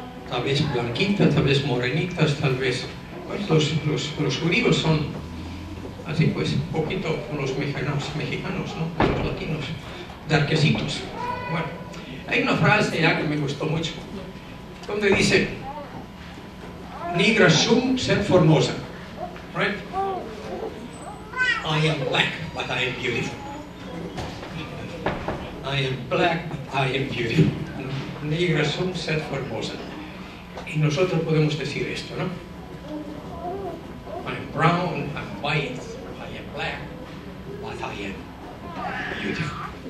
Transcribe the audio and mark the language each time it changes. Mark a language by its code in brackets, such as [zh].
[es] Tal vez blanquitas, tal vez morenitas, tal vez. Pues los judíos son así, pues, un poquito los mexicanos, ¿no? Los latinos. de arquecitos. Bueno, hay una frase ya que me gustó mucho, donde dice: [la] Nigra sum sed formosa. [en] Right? I am black, but I am beautiful. I am black, but I am beautiful. [la] Nigra sum sed formosa. [es] Y nosotros podemos decir esto, ¿no? [en] I am brown, I am white, I am black, but I am beautiful.